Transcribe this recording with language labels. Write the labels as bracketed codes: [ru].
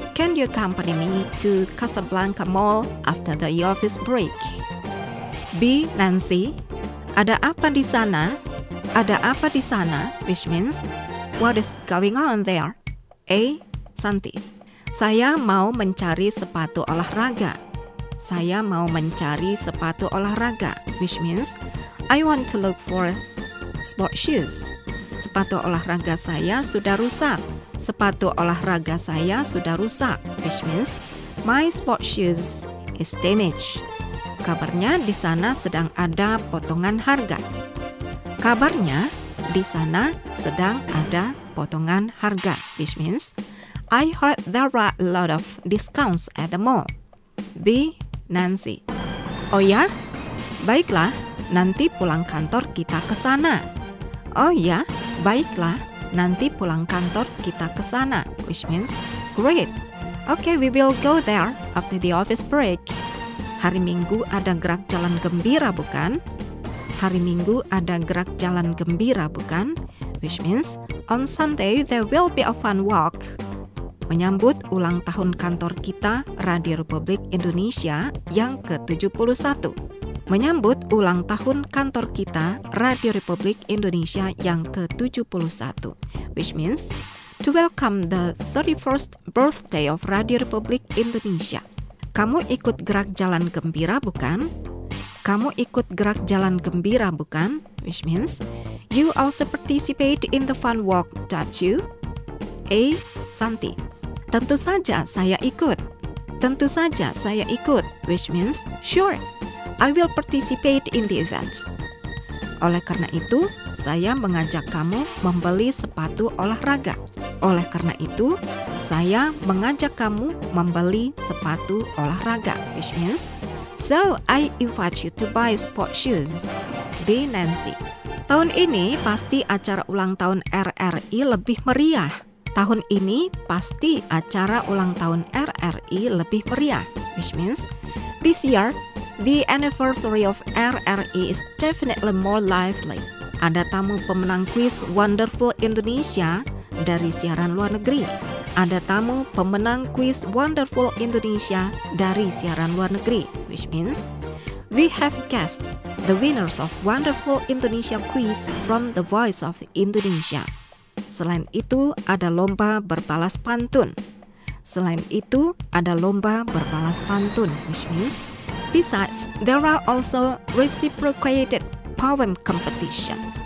[en] Can you accompany me to Casablanca Mall after the office break? B. [id] Nancy, ada apa di sana? Ada apa di sana? [en] Which means, what is going on there? A. [id] Santi, saya mau mencari sepatu olahraga. Saya mau mencari sepatu olahraga. [en] Which means, I want to look for sport shoes. [id] Sepatu olahraga saya sudah rusak. Sepatu olahraga saya sudah rusak. [en] Which means, my sport shoes is damaged. [id] Kabarnya di sana sedang ada potongan harga. Kabarnya di sana sedang ada potongan harga. [en] Which means, I heard there are a lot of discounts at the mall. [id] B. Nancy, oh ya? Baiklah, nanti pulang kantor kita ke sana. Oh ya, baiklah, nanti pulang kantor kita ke sana. [en] Which means, great. Okay, we will go there after the office break. [id] Hari Minggu ada gerak jalan gembira, bukan? Hari Minggu ada gerak jalan gembira, bukan? [en] Which means, on Sunday there will be a fun walk. [id] Menyambut ulang tahun kantor kita, Radio Republik Indonesia yang ke-71. Menyambut ulang tahun kantor kita, Radio Republik Indonesia yang ke-71. [en] Which means, to welcome the 31st birthday of Radio Republik Indonesia. [id] Kamu ikut gerak jalan gembira, bukan? Kamu ikut gerak jalan gembira, bukan? [en] Which means, you also participate in the fun walk, don't you? A. [id] Santi, tentu saja saya ikut. Tentu saja saya ikut. [en] Which means, sure, I will participate in the event. [id] Oleh karena itu, saya mengajak kamu membeli sepatu olahraga. Oleh karena itu, saya mengajak kamu membeli sepatu olahraga. [en] Which means, so I invite you to buy sport shoes. B. [id] Nancy, tahun ini pasti acara ulang tahun RRI lebih meriah. Tahun ini pasti acara ulang tahun RRI lebih meriah. [en] Which means, this year, the anniversary of RRI is definitely more lively. [id] Ada tamu pemenang kuis Wonderful Indonesia dari siaran luar negeri. Ada tamu pemenang kuis Wonderful Indonesia dari siaran luar negeri. [en] Which means, we have guests, the winners of Wonderful Indonesia quiz from The Voice of Indonesia. [id] Selain itu, ada lomba berbalas pantun. Selain itu, ada lomba berbalas pantun. [en] Which means, besides, there are also reciprocated poem competition.